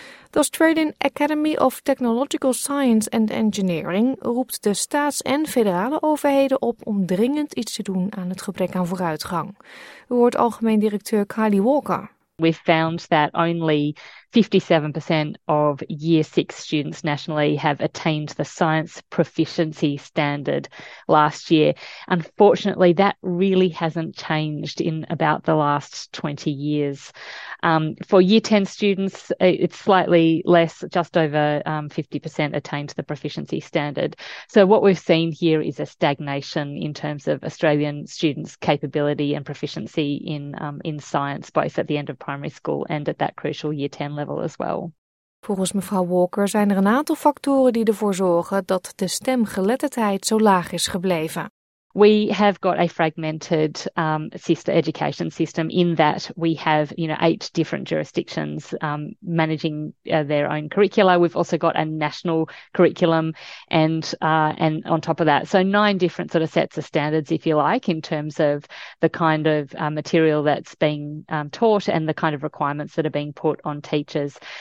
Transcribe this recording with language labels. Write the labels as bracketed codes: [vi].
[nl] De Australian Academy of Technological Science and Engineering roept de staats- en federale overheden op om dringend iets te doen aan het gebrek aan vooruitgang. U hoort algemeen directeur Kylie Walker. [en] We found that only 57% of Year 6 students nationally have attained the science proficiency standard last year. Unfortunately, that really hasn't changed in about the last 20 years. For Year 10 students, it's slightly less, just over 50% attained the proficiency standard. So what we've seen here is a stagnation in terms of Australian students' capability and proficiency in science, both at the end of primary school and at that crucial Year 10 level. As well. [nl] Volgens mevrouw Walker zijn er een aantal factoren die ervoor zorgen dat de stemgeletterdheid zo laag is gebleven. [en] We have got a fragmented education system in that we have, you know, 8 different jurisdictions managing their own curricula. We've also got a national curriculum and on top of that. So 9 different sort of sets of standards, if you like, in terms of the kind of material that's being taught and the kind of requirements that are being put on teachers.